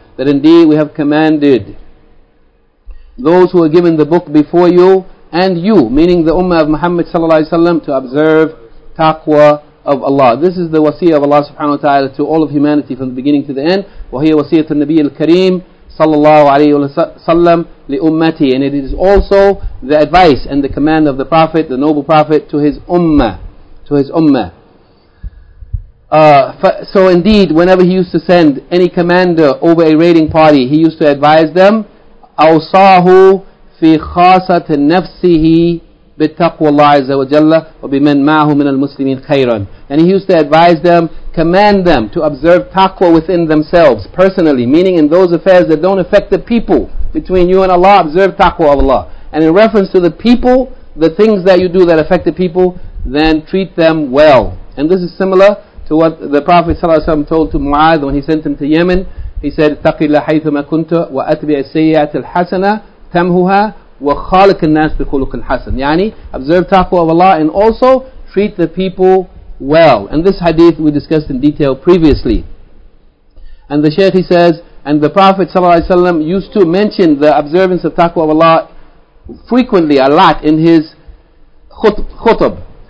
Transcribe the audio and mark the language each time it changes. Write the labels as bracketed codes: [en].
[en] That indeed we have commanded those who are given the book before you and you, meaning the Ummah of Muhammad sallallahu alayhi wa sallam, to observe taqwa of Allah. This is the wasiyah of Allah subhanahu wa ta'ala to all of humanity from the beginning to the end. [ar] وَهِيَ وَسِيَةُ النَّبِيِّ الْكَرِيمِ sallallahu alayhi wa sallam لِأُمَّتِي. [en] And it is also the advice and the command of the Prophet, the noble Prophet, to his Ummah, to his Ummah. So indeed, whenever he used to send any commander over a raiding party, he used to advise them, [ar] أَوْصَاهُ فِي خَاسَةِ نَفْسِهِ بِالتَّقْوَى اللَّهِ عَزَّ وَجَلَّ وَبِمَنْ مَعْهُ مِنَ الْمُسْلِمِينَ خَيْرًا. [en] And he used to advise them, command them to observe taqwa within themselves, personally, meaning in those affairs that don't affect the people, between you and Allah, observe taqwa of Allah. And in reference to the people, the things that you do that affect the people, then treat them well. And this is similar to what the Prophet ﷺ told to Mu'adh when he sent him to Yemen. He said, [ar] تَقِ اللَّهَ حَيْثُمَا كُنْتَ وَأَتْبِعَ السَّيِّئَةِ الْحَسَنَةِ تَمْهُهَا وَخَالِكَ النَّاسِ بِخُلُقٍ حَسَنٍ. [en] Yani, observe taqwa of Allah and also treat the people well. And this hadith we discussed in detail previously. And the Shaykh, he says, and the Prophet ﷺ used to mention the observance of taqwa of Allah frequently, a lot, in his khutb.